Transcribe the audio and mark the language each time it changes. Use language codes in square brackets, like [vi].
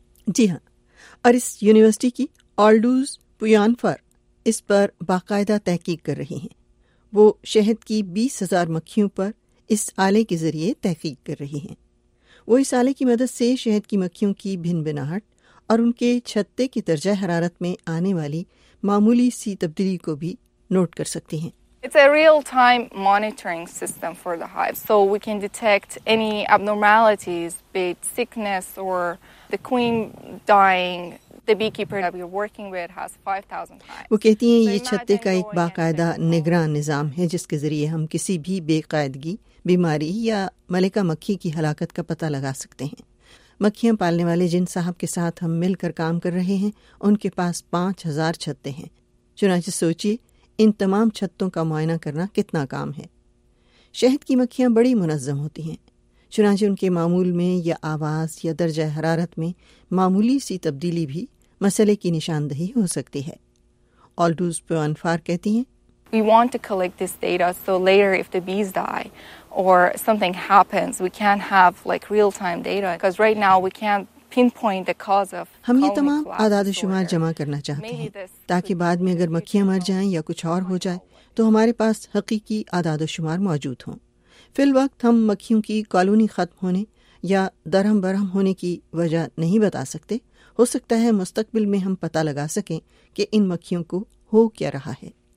[ur] جی ہاں, اور اس یونیورسٹی کی آلڈوز پویانفر اس پر باقاعدہ تحقیق کر رہی ہیں. وہ شہد کی 20,000 مکھیوں پر اس آلے کے ذریعے تحقیق کر رہی ہیں. وہ اس آلے کی مدد سے شہد کی مکھیوں کی بھن بناہٹ اور ان کے چھتے کی درجہ حرارت میں آنے والی معمولی سی تبدیلی کو بھی نوٹ کر سکتی ہیں. [en] It's a real-time monitoring system for the hive, so we can detect any abnormalities, be it sickness or the queen dying. The beekeeper that we're working with has 5,000 hives. [ur] وہ کہتی ہیں یہ چھتے کا ایک باقاعدہ نگران نظام ہے جس کے ذریعے ہم کسی بھی بے قاعدگی, بیماری یا ملکہ مکھی کی ہلاکت کا پتہ لگا سکتے ہیں. مکھیاں پالنے والے جن صاحب کے ساتھ ہم مل کر کام کر رہے ہیں ان کے پاس 5,000 چھتے ہیں. چنانچہ سوچیے ان تمام چھتوں کا معائنہ کرنا کتنا کام ہے. شہد کی مکھیاں بڑی منظم ہوتی ہیں, چنانچہ ان کے معمول میں یا آواز یا درجہ حرارت میں معمولی سی تبدیلی بھی مسئلے کی نشاندہی ہو سکتی ہے. آلڈوز پیوانفار کہتی ہیں, [en] We want to collect this data so later if the bees die or something happens, we can have like real-time data because right now we can't pinpoint the cause of. [ur] ہم یہ تمام اعداد و شمار جمع کرنا چاہتے ہیں تاکہ بعد میں اگر مکھیاں مر جائیں یا کچھ اور ہو جائے تو ہمارے پاس حقیقی اعداد و شمار موجود ہوں. فی الوقت ہم مکھیوں کی کالونی ختم ہونے یا درہم برہم ہونے کی وجہ نہیں بتا سکتے. ہو سکتا ہے مستقبل میں ہم پتہ لگا سکیں کہ ان مکھیوں کو ہو کیا رہا ہے.